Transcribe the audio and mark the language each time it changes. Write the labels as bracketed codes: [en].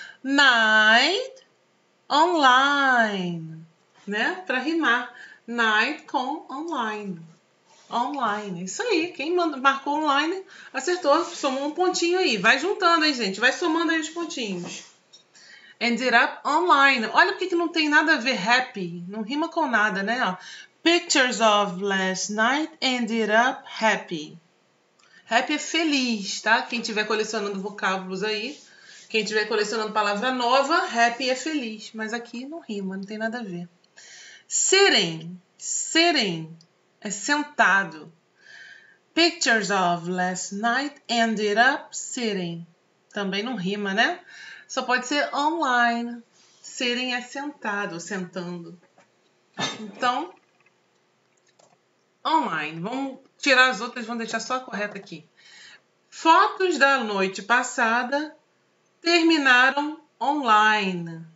[en] Night online. [pt] Né? Pra rimar. Night com online. Online, isso aí. Quem marcou online acertou. Somou um pontinho aí. Vai juntando aí, gente. Vai somando aí os pontinhos. [en] Ended up online. [pt] Olha porque que não tem nada a ver happy. Não rima com nada, né? [en] Pictures of last night ended up happy. [pt] Happy é feliz, tá? Quem estiver colecionando vocábulos aí, quem estiver colecionando palavra nova, happy é feliz. Mas aqui não rima, não tem nada a ver. Sitting. Sitting é sentado. [en] Pictures of last night ended up sitting. [pt] Também não rima, né? Só pode ser online. Sitting é sentado, sentando. Então, online. Vamos tirar as outras, vamos deixar só a correta aqui. Fotos da noite passada terminaram online.